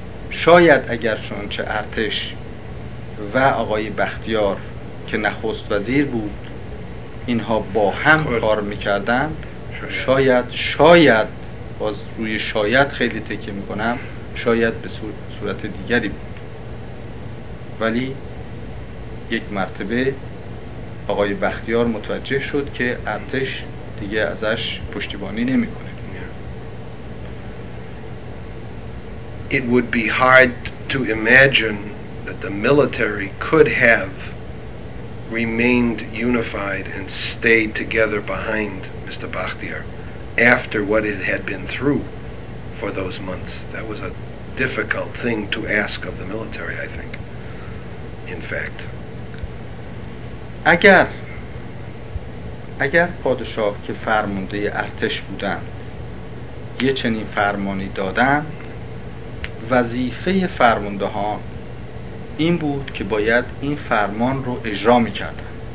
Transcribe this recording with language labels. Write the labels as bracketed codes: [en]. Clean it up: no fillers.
[fa] شاید اگر چنانچه ارتش و آقای بختیار که نخست وزیر بود اینها با هم کار میکردند، شاید باز روی شاید خیلی تکیه میکنم، شاید به صورت دیگری بود. ولی یک مرتبه آقای بختیار متوجه شد که ارتش دیگه ازش پشتیبانی نمی کنه. [en] It would be hard to imagine that the military could have remained unified and stayed together behind Mr. Bakhtiar after what it had been through for those months. That was a difficult thing to ask of the military, I think, in fact. [fa] اگر پادشاه که فرمانده ارتش بودند یه چنین فرمانی دادند، وظیفه فرماندهان این بود که باید این فرمان رو اجرا می‌کردند.